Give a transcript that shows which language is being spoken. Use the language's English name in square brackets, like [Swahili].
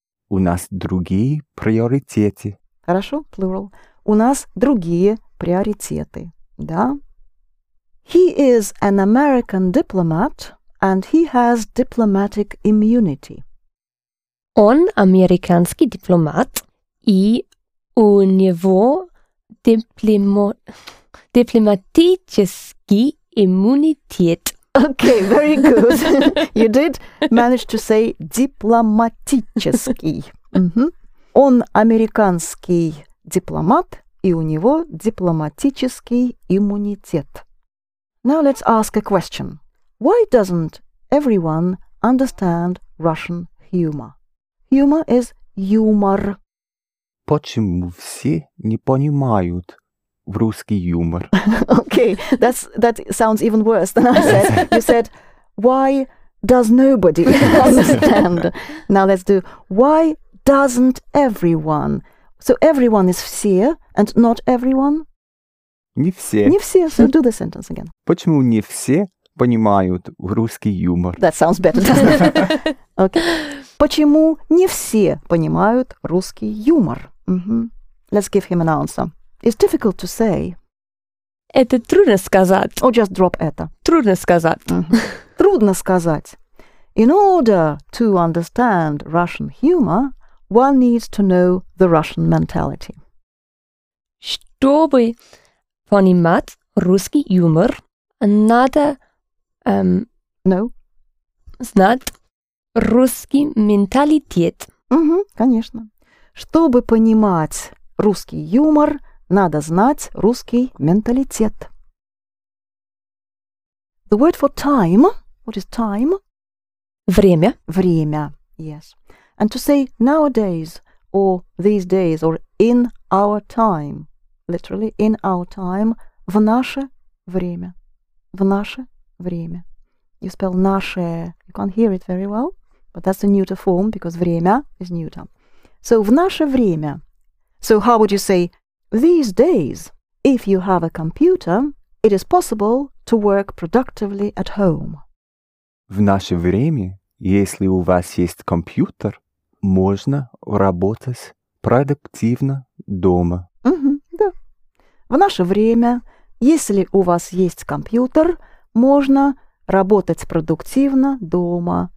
[Russian] У нас другие приоритеты. Хорошо, plural. У нас другие приоритеты. Да? [English] He is an American diplomat and he has diplomatic immunity. [Russian] Он американский дипломат и у него дипломатический иммунитет. [English] Okay, very good. You did manage to say дипломатический. Mm-hmm. [Russian] Он американский дипломат, и у него дипломатический иммунитет. [English] Now let's ask a question. Why doesn't everyone understand Russian humor? Humor is юмор. [Russian] Почему все не понимают русский юмор? [English] Okay, that sounds even worse than I said. You said, why does nobody understand? Now let's do, why doesn't everyone? So everyone is все and not everyone? [Russian] Не все. [English] Не все, so do the sentence again. [Russian] Почему не все понимают русский юмор? [English] That sounds better, doesn't it? Okay. [Russian] Почему не все понимают русский юмор? [English] Mm-hmm. Let's give him an answer. It's difficult to say. [Russian] Это трудно сказать. [English] Or just drop это. [Russian] Трудно сказать. Mm-hmm. Трудно сказать. [English] In order to understand Russian humor, one needs to know the Russian mentality. [Russian] Чтобы понимать русский юмор, надо знать русский менталитет. Mm-hmm, конечно. Чтобы понимать русский юмор, надо знать русский менталитет. [English] The word for time, what is time? [Russian] Время. Время, yes. [English] And to say nowadays, or these days, or in our time, literally, in our time, в наше время. [Russian] В наше время. [English] You spell наше, you can't hear it very well, but that's a neuter form, because время is neuter. [Russian] So, в наше время. [English] So, how would you say, these days, if you have a computer, it is possible to work productively at home. [Russian] В наше время, если у вас есть компьютер, можно работать продуктивно дома. Mm-hmm, да. В наше время, если у вас есть компьютер, можно работать продуктивно дома.